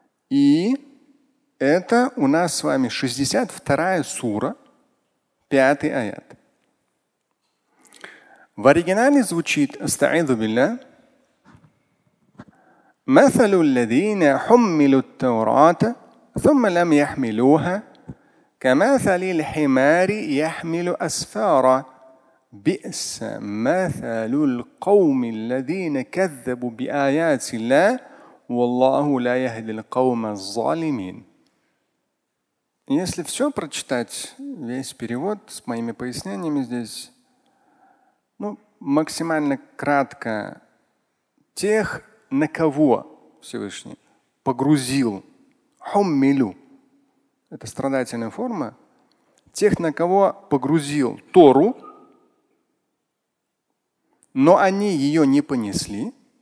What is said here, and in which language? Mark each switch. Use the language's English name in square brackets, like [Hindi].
[Russian] И это у нас с вами 62-я сура, 5-й аят. В оригинале звучит [Arabic] «Астаизу билля». «Мэталю лядина хуммилю таурата». ثم لم يحملوها كمثل الحمار يحمل أسفارا بئس مثل القوم الذين كذبوا بآيات الله والله لا يهدي القوم الظالمين. [Russian] Если все прочитать, весь перевод с моими пояснениями здесь, ну, максимально кратко, тех, на кого Всевышний погрузил хуммилю, это страдательная форма, тех, на кого погрузил Тору, но они ее не понесли.